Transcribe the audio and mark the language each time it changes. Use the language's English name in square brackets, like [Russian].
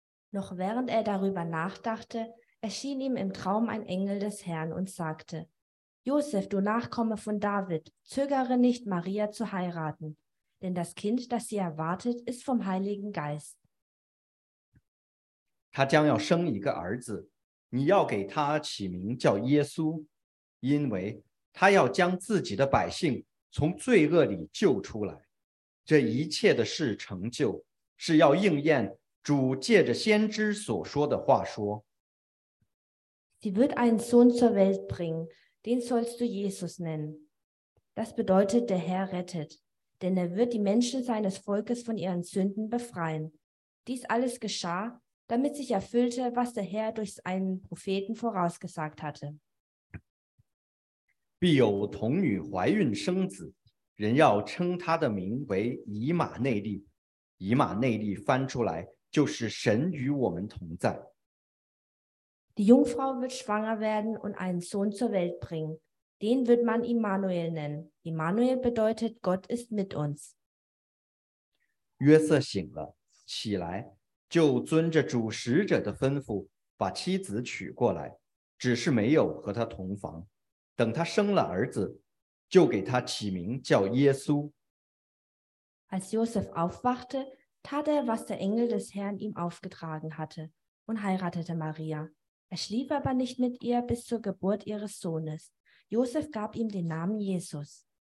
[German] Noch während er darüber nachdachte,erschien ihm im Traum ein Engel des Herrn und sagte, Josef, du Nachkomme von David, zögere nicht, Maria zu heiraten, denn das Kind, das sie erwartet, ist vom Heiligen Geist. [Chinese] 他将要生一个儿子，你要给他起名叫耶稣，因为他要将自己的百姓从罪恶里救出来。这一切的事成就，是要应验主借着先知所说的话说。 [German] Sie wird einen Sohn zur Welt bringen, den sollst du Jesus nennen. Das bedeutet, der Herr rettet, denn er wird die Menschen seines Volkes von ihren Sünden befreien. Dies alles geschah, damit sich erfüllte, was der Herr durch einen Propheten vorausgesagt hatte. [Chinese] 必有童女怀孕生子，人要称他的名为以马内利。以马内利翻出来，就是神与我们同在。 [German] Die Jungfrau wird schwanger werden und einen Sohn zur Welt bringen. Den wird man Immanuel nennen. Immanuel bedeutet, Gott ist mit uns. [Chinese] Josef 醒了，起来，就遵着主使者的吩咐，把妻子娶过来，只是没有和他同房。等他生了儿子，就给他起名叫耶稣。 [German] Als Josef aufwachte, tat er, was der Engel des Herrn ihm aufgetragen hatte, und heiratete Maria. Er schlief aber nicht mit ihr bis zur Geburt ihres Sohnes. Josef gab ihm den Namen Jesus.